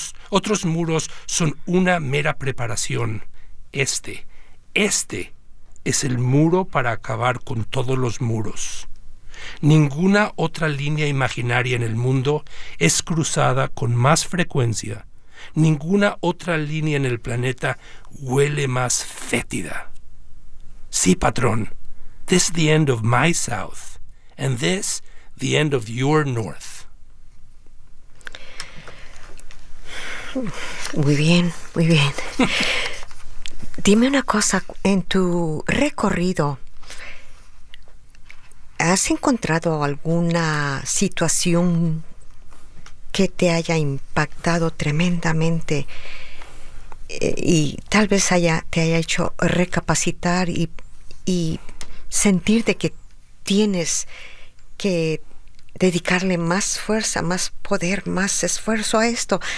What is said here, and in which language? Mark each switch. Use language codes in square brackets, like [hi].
[es] Otros muros son una mera preparación. Este es el muro para acabar con todos los muros. Ninguna otra línea imaginaria en el mundo es cruzada con más frecuencia. Ninguna otra línea en el planeta huele más fétida. Sí, patrón, [en] this is the end of my south, and this the end of your north. [es] Muy bien, muy bien. Dime una cosa, en tu recorrido, ¿Has encontrado alguna situación que te haya impactado tremendamente y tal vez te haya hecho recapacitar y sentir de que tienes que dedicarle más fuerza, más poder, más esfuerzo a esto?